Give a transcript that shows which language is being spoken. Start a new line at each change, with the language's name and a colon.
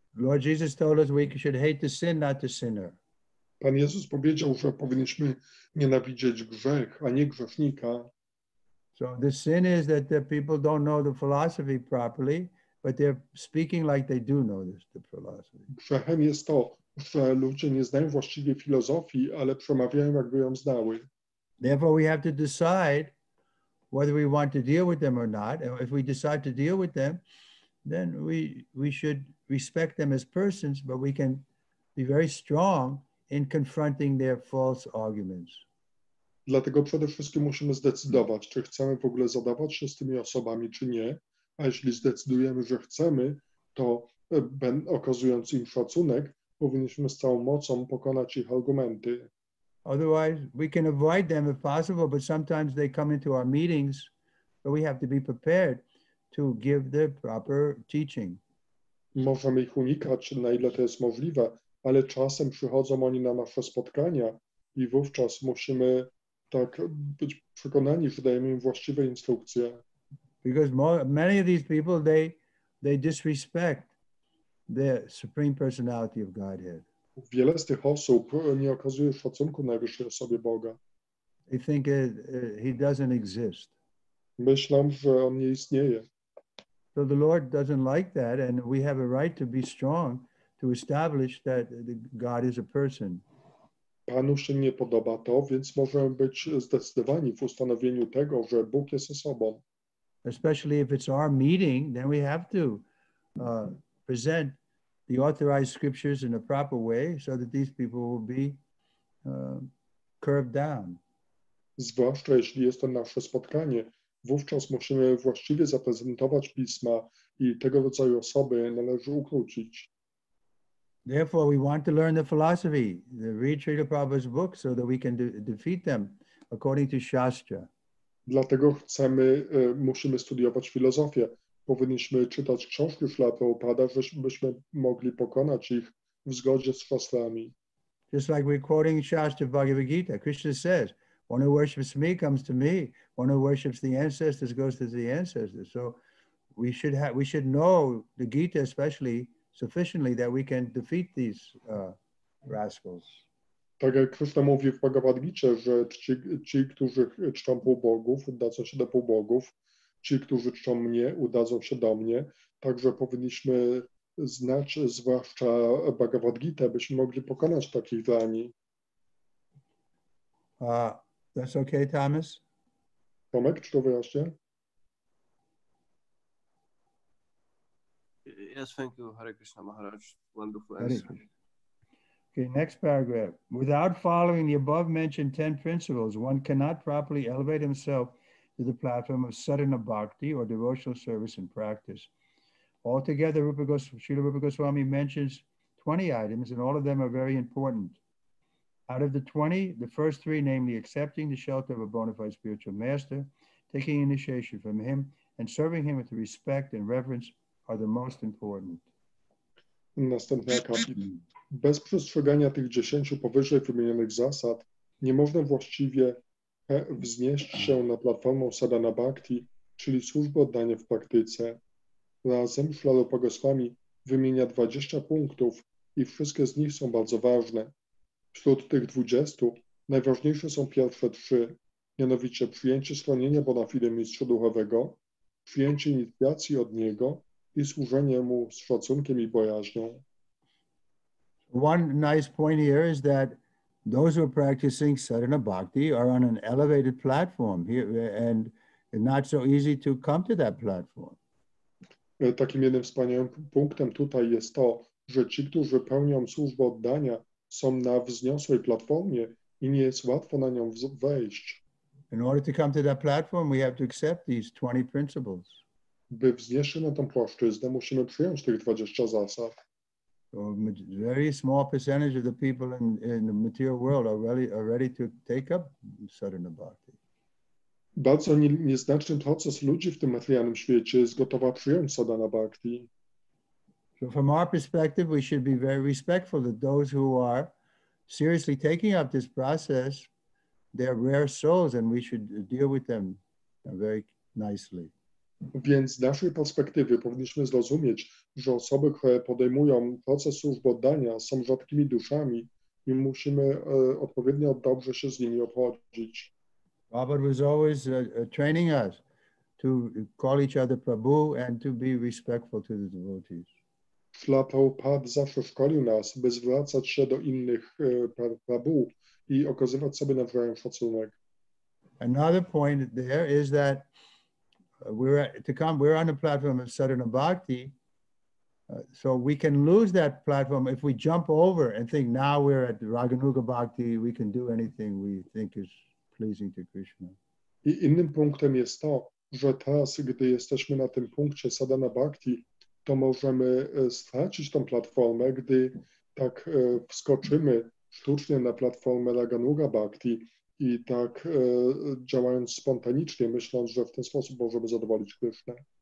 English: Lord Jesus told us we should hate the sin, not the sinner.
Polish: Pan Jezus powiedział, że powinniśmy nienawidzieć grzech, a nie grzesznika.
English: So the sin is that the people don't know the philosophy properly, but they're speaking like they do know this, the philosophy.
Polish: Grzechem jest to, że ludzie nie znają właściwie filozofii, ale przemawiają, jakby ją znały.
English: Therefore, we have to decide whether we want to deal with them or not. And if we decide to deal with them, then we should respect them as persons, but we can be very strong in confronting their false arguments.
Polish: Dlatego przede wszystkim musimy zdecydować, czy chcemy w ogóle zadawać się z tymi osobami, czy nie. A jeśli zdecydujemy, że chcemy, to okazując im szacunek, powinniśmy z całą mocą pokonać ich argumenty.
English: Otherwise, we can avoid them if possible, but sometimes they come into our meetings, but we have to be prepared to give the proper teaching.
Polish: Możemy ich unikać, na ile to jest możliwe, ale czasem przychodzą oni na nasze spotkania i wówczas musimy tak być przekonani, że dajemy im właściwe instrukcje.
English: Because many of these people, they disrespect the Supreme Personality of Godhead.
Polish: Wiele z tych osób nie okazuje szacunku najwyższej osobie Boga.
English: They think he doesn't exist.
Polish: Myślą, że on nie istnieje.
English: So the Lord doesn't like that, and we have a right to be strong to establish that God is a person.
Polish: Panu się nie podoba to, więc możemy być zdecydowani w ustanowieniu tego, że Bóg jest osobą.
English: Especially if it's our meeting, then we have to present the authorized scriptures in a proper way so that these people will be curved down.
Polish: Zwłaszcza jeśli jest to nasze spotkanie, wówczas musimy właściwie zaprezentować pisma i tego rodzaju osoby należy ukrócić.
English: Therefore, we want to learn the philosophy, the read Srila Prabhupada's book, so that we can defeat them according to Shastra.
Polish: Dlatego chcemy, musimy studiować filozofię. Powinniśmy czytać książki Srila Prabhupada, żebyśmy mogli pokonać ich w zgodzie z szastrami.
English: Just like we're quoting Shastra Bhagavad Gita, Krishna says, one who worships me comes to me, one who worships the ancestors goes to the ancestors. So we should know the Gita especially sufficiently that we can defeat these rascals.
Polish: Tak jak Krishna mówi w Bhagavad Gita, że ci, którzy czczą półbogów, udadzą się do półbogów, ci, którzy czczą mnie, udadzą się do mnie. Także powinniśmy znać, zwłaszcza Bhagavad Gita, byśmy mogli pokonać takich dani.
English: That's okay, Thomas?
Polish: Tomek, czy to wyjaśnię?
English: Yes, thank you, Hare Krishna Maharaj. Wonderful answer. Okay, next paragraph. Without following the above mentioned 10 principles, one cannot properly elevate himself to the platform of sadhana bhakti or devotional service and practice. Altogether, Srila Rupa Goswami mentions 20 items, and all of them are very important. Out of the 20, the first three, namely accepting the shelter of a bona fide spiritual master, taking initiation from him, and serving him with respect and reverence, are the most important.
Polish: Następny akapit. Bez przestrzegania tych 10 powyżej wymienionych zasad nie można właściwie wznieść się na platformę sadhana bhakti, czyli służby oddania w praktyce. Razem Srila Rupa Goswami wymienia 20 punktów i wszystkie z nich są bardzo ważne. Wśród tych 20 najważniejsze są pierwsze 3, mianowicie przyjęcie schronienia bona fide mistrza duchowego, przyjęcie inicjacji od niego i służenie mu z szacunkiem i bojaźnią.
English: One nice point here is that those who are practicing sadhana bhakti are on an elevated platform here, and not so easy to come to that platform.
Polish: Takim jednym wspaniałym punktem tutaj jest to, że ci, którzy pełnią służbę oddania, są na wzniosłej platformie i nie jest łatwo na nią wejść.
English: In order to come to that platform, we have to accept these 20 principles.
Polish: By wznieść się na tą płaszczyznę, musimy przyjąć tych 20 zasad.
English: So a very small percentage of the people in the material world are ready to take up sadhana bhakti.
Polish: Bardzo nieznaczny proces ludzi w tym materialnym świecie jest gotowa przyjąć sadhana bhakti.
English: So from our perspective, we should be very respectful that those who are seriously taking up this process, they're rare souls and we should deal with them very nicely.
Polish: Więc z naszej perspektywy powinniśmy zrozumieć, że osoby, które podejmują proces służby oddania, są rzadkimi duszami i musimy odpowiednio dobrze się z nimi obchodzić.
English: Prabhupada was always training us to call each other Prabhu and to be respectful to the devotees.
Polish: Śla Prabhupada zawsze szkolił nas, by zwracać się do innych Prabhu i okazywać sobie nawzajem szacunek.
English: Another point there is that we're on the platform of Sadhana Bhakti, so we can lose that platform if we jump over and think now we're at Raganuga Bhakti, we can do anything we think is pleasing to Krishna.
Polish: I innym punktem jest to, że teraz, gdy jesteśmy na tym punkcie Sadhana Bhakti, to możemy stracić tą platformę, gdy tak wskoczymy sztucznie na platformę Raganuga Bhakti i tak działając spontanicznie, myśląc, że w ten sposób możemy zadowolić Krishnę.